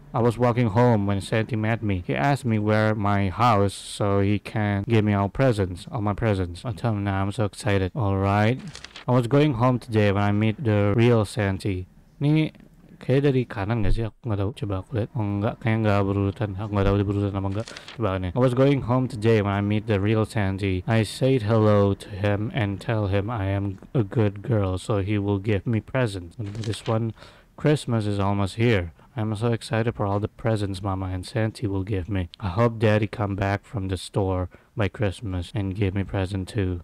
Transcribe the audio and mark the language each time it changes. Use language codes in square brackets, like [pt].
[en] I was walking home when Santy met me. He asked me where my house so he can give me all my presents. I tell him now, I'm so excited. Alright. I was going home today when I meet the real Santy. [id] Ini kayak dari kanan gak sih? Aku gak tahu. Coba aku lihat. Oh enggak, kayaknya gak berurutan. Aku gak tahu dia berurutan apa enggak. Coba aneh. [en] I was going home today when I meet the real Santy. I said hello to him and tell him I am a good girl so he will give me presents. This one, Christmas is almost here. I'm so excited for all the presents Mama and Santy will give me. I hope Daddy come back from the store by Christmas and give me present too.